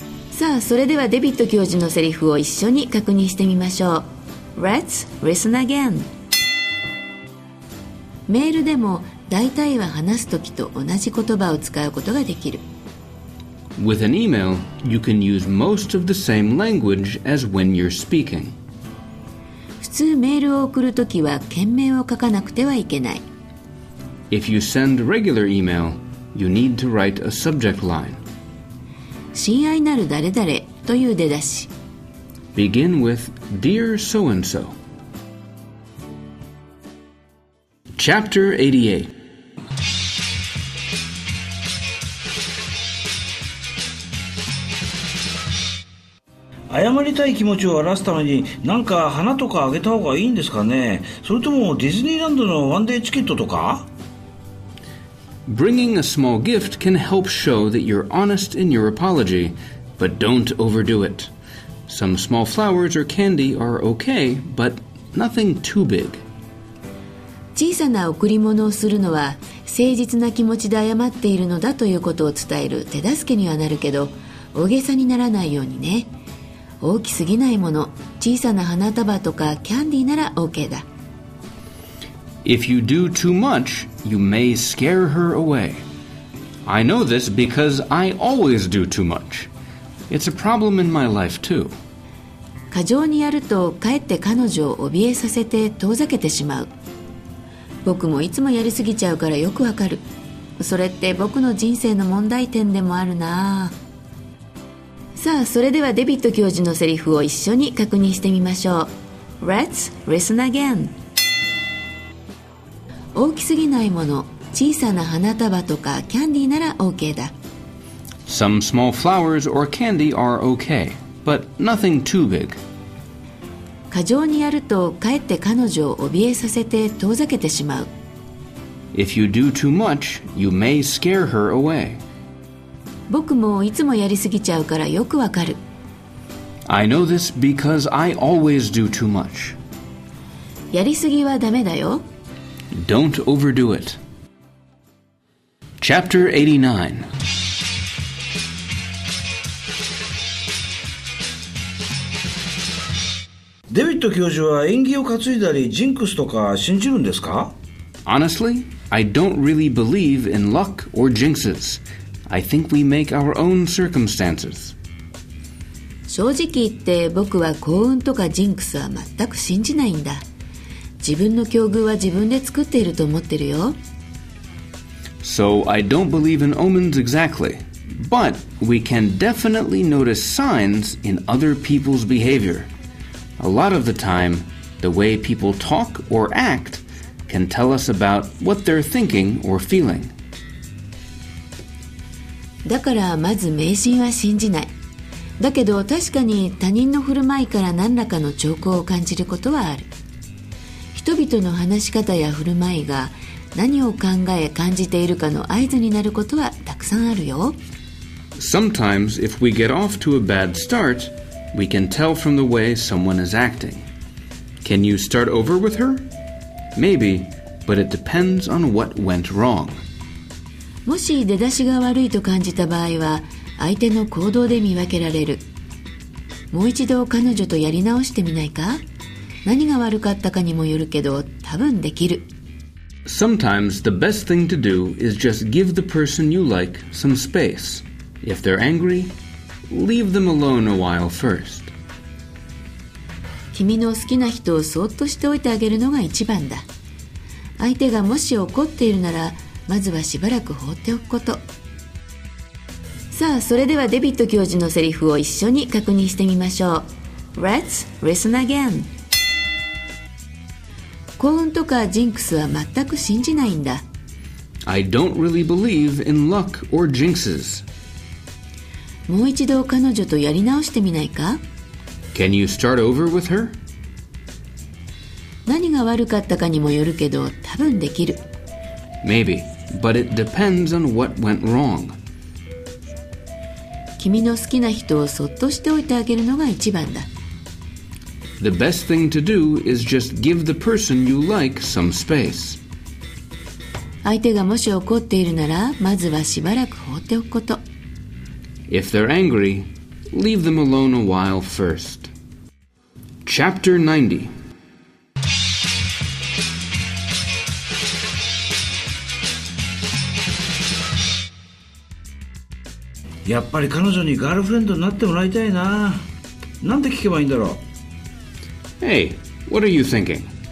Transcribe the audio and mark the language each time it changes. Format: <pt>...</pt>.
<ja>さあ、それではデビッド教授のセリフを一緒に確認してみましょう。</ja> <en>Let's listen again.</en> <ja>メールでも大体は話すときと同じ言葉を使うことができる。</ja> <en>With an email, you can use most of the same language as when you're speaking.</en> <ja>普通メールを送るときは件名を書かなくてはいけない。</ja> <en>If you send regular email, you need to write a subject line.</en> <ja>親愛なる誰々という出だし。</ja> <en>Begin with Dear so-and-so. Chapter 88.</en> <ja>謝りたい気持ちを表すために、なんか花とかあげた方がいいんですかね？それともディズニーランドのワンデーチケットとか？</ja> <en>Bringing a small gift can help show that you're honest in your apology, but don't overdo it. Some small flowers or candy are okay, but nothing too big.</en> <ja>小さな贈り物をするのは、誠実な気持ちで謝っているのだということを伝える手助けにはなるけど、大げさにならないようにね。大きすぎないもの、小さな花束とかキャンディーなら OK だ。</ja> <en>If you do too much, you may scare her away. I know this because I always do too much. It's a problem in my life too.</en> <ja>過剰にやるとかえって彼女を怯えさせて遠ざけてしまう。僕もいつもやりすぎちゃうからよくわかる。それって僕の人生の問題点でもあるな。さあ、それではデビッド教授のセリフを一緒に確認してみましょう。</ja> <en>Let's listen again.</en> <ja>大きすぎないもの、小さな花束とかキャンディーなら OK だ。</ja> <en>Some small flowers or candy are okay. but nothing too big.</en> <ja>過剰にやるとかえって彼女を怯えさせて遠ざけてしまう。</ja> <en>If you do too much, you may scare her away.</en> <ja>僕もいつもやりすぎちゃうからよくわかる。</ja> <en>I know this because I always do too much.</en> <ja>やりすぎはダメだよ。</ja> <en>Don't overdo it. Chapter 89</en> <ja>デビッド教授は縁起を担いだりジンクスとか信じるんですか?</ja> <en>Honestly, I don't really believe in luck or jinxes. I think we make our own circumstances.</en> <ja>正直言って僕は幸運とかジンクスは全く信じないんだ。自分の境遇は自分で作っていると思ってるよ。</ja> <en>So I don't believe in omens exactly. But we can definitely notice signs in other people's behavior. A lot of the time, the way people talk or act can tell us about what they're thinking or feeling.</en> <ja>だからまず迷信は信じない。だけど確かに他人の振る舞いから何らかの兆候を感じることはある。人々の話し方や振る舞いが何を考え感じているかの合図になることはたくさんあるよ。</ja> <en>Sometimes if we get off to a bad start,We can tell from the way someone is acting. Can you start over with her? Maybe, but it depends on what went wrong.</en> <ja>もし出だしが悪いと感じた場合は、相手の行動で見分けられる。もう一度彼女とやり直してみないか？何が悪かったかにもよるけど、多分できる。</ja> <en>Sometimes the best thing to do is just give the person you like some space. If they're angry,Leave them alone a while first.</en> <ja>君の好きな人をそっとしておいてあげるのが一番だ。相手がもし怒っているなら、まずはしばらく放っておくこと。さあ、それではデビッド教授のセリフを一緒に確認してみましょう。</ja> <en>Let's listen again.</en> <ja>幸運とかジンクスは全く信じないんだ。</ja> <en>I don't really believe in luck or jinxes.</en> <ja>もう一度彼女とやり直してみないか?</ja> <en>Can you start over with her?</en> <ja>何が悪かったかにもよるけど、多分できる。</ja> <en>Maybe, but it depends on what went wrong.</en> <ja>君の好きな人をそっとしておいてあげるのが一番だ。</ja> <en>The best thing to do is just give the person you like some space.</en> <ja>相手がもし怒っているなら、まずはしばらく放っておくこと。</ja> <en>If they're angry, leave them alone a while first. Chapter 90.</en> <ja>やっぱり彼女にガールフレンドになってもらいたいな。なんて聞けばいいんだろう?</ja> <en>Hey, what are you thinking?</en>